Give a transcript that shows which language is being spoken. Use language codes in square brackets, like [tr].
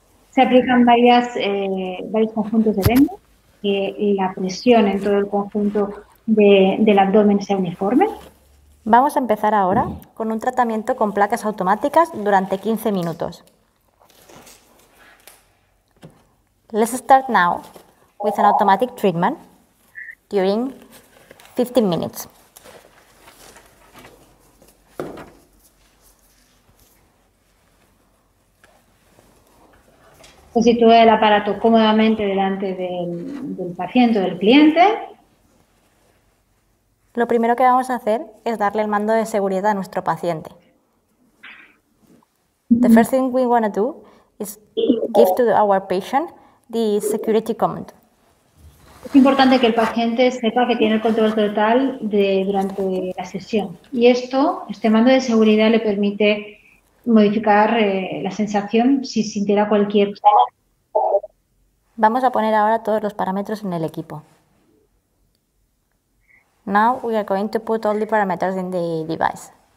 [es] Se aplican varios conjuntos de vendas, que la presión en todo el conjunto del abdomen sea uniforme. Vamos a empezar ahora con un tratamiento con placas automáticas durante 15 minutos. [en] Let's start now with an automatic treatment during 15 minutes. [es] Se sitúa el aparato cómodamente delante del paciente o del cliente. Lo primero que vamos a hacer es darle el mando de seguridad a nuestro paciente. [en] The first thing we want to do is give to our patient the security command. [es] Es importante que el paciente sepa que tiene el control total durante la sesión. Y esto, este mando de seguridad, le permite modificar la sensación si sintiera cualquier. Vamos a poner ahora todos los parámetros en el equipo. [en] Now we are going to put all the parameters in the device.